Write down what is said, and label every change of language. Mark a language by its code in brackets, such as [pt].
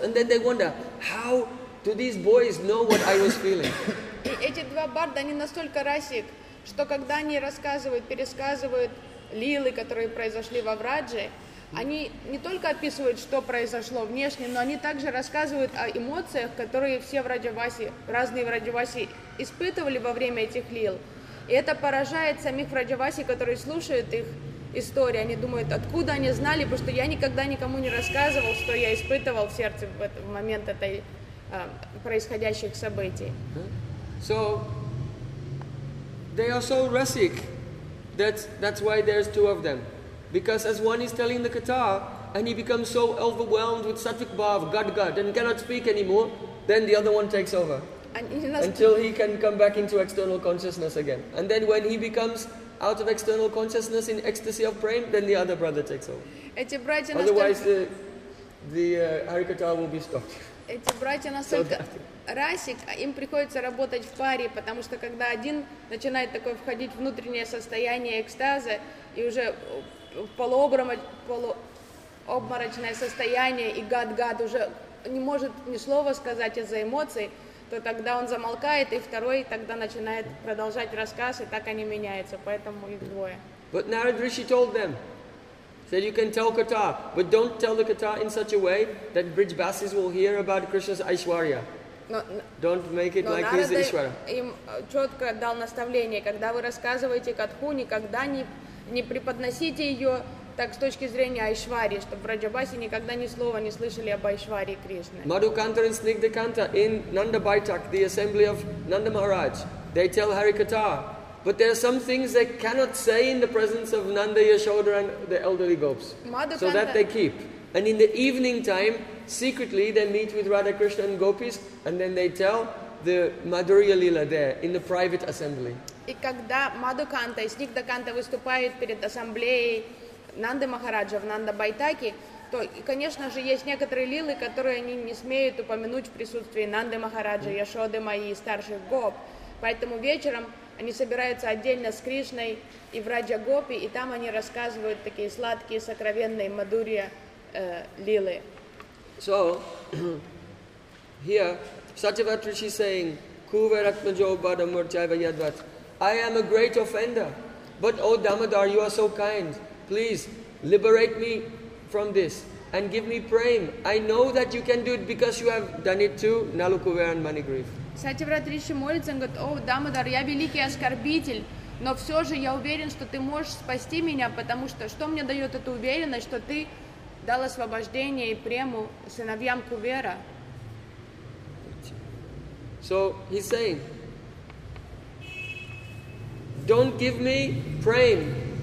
[en] And then they wonder, how do these boys know what I was feeling? [ru] Эти два барда, они настолько расик, что когда они рассказывают, пересказывают лилы, которые произошли во Врадже, они не только описывают, что произошло внешне, но они также рассказывают о эмоциях, которые все враджаваси, разные враджаваси испытывали во время этих лил. И это поражает самих враджаваси, которые слушают их истории. Они думают, откуда они знали, потому что я никогда никому не рассказывал, что я испытывал в сердце в момент этой происходящих событий. [en] So, they are so rasic, that's why there's two of them. Because as one is telling the katha, and he becomes so overwhelmed with sattvic bhav, gad-gad, and cannot speak anymore, then the other one takes over. Until he can come back into external consciousness again. And then when he becomes out of external consciousness in ecstasy of prema, then the other brother takes over. Otherwise the Harikatha will be stopped. [ru] Эти братья настолько расик, им приходится работать в паре, потому что когда один начинает такое входить в внутреннее состояние экстаза, и уже полуобморочное состояние, и гад-гад уже не может ни слова сказать из-за эмоций, то тогда он замолкает, и второй тогда начинает продолжать рассказ, и так они меняются, поэтому их двое. [en] But Narad Rishi told them, said you can tell katha, but don't tell the katha in such a way that bridge basses will hear about Krishna's Aishwarya. Don't make it like his Aishwarya. [ru] Им четко дал наставление, когда вы рассказываете катху, никогда не преподносите ее так с точки зрения Айшвари, чтобы Враджабаси никогда ни слова не слышали об Айшвари Кришне. [en] Madhukanta and Snigdhakanta in Nanda Baitak, the assembly of Nanda Maharaj, they tell Harikatha, but there are some things they cannot say in the presence of Nanda Yashoda and the elderly gopis. So that they keep. And in the evening time, secretly they meet with Radha Krishna and gopis, and then they tell the Madhurya Lila there in the private assembly. [ru] И когда Мадхуканта и Снигдхаканта выступают перед ассамблеей Нанды Махараджа в Нанда Байтаке, то, конечно же, есть некоторые лилы, которые они не смеют упомянуть в присутствии Нанды Махараджа, Яшоды Майи и старших гоп. Поэтому вечером они собираются отдельно с Кришной и в Раджа Гопи, и там они рассказывают такие сладкие, сокровенные мадурья лилы. [en] So, here, Сатьяврат Риши saying, [sa] Кувер Атмаджо Бада Мурчайва Ядват. [en] I am a great offender, but O Damodar, you are so kind. Please liberate me from this and give me prem. I know that you can do it because you have done it too, Nalukuver and Manigrif. [ru] Сатьяврат Риши молится, говорит, О Дамодар, я великий оскорбитель, но все же я уверен, что ты можешь спасти меня, потому что мне дает эту уверенность, что ты дал освобождение и прему сыновьям Кувера. [en] So he's saying, don't give me prem.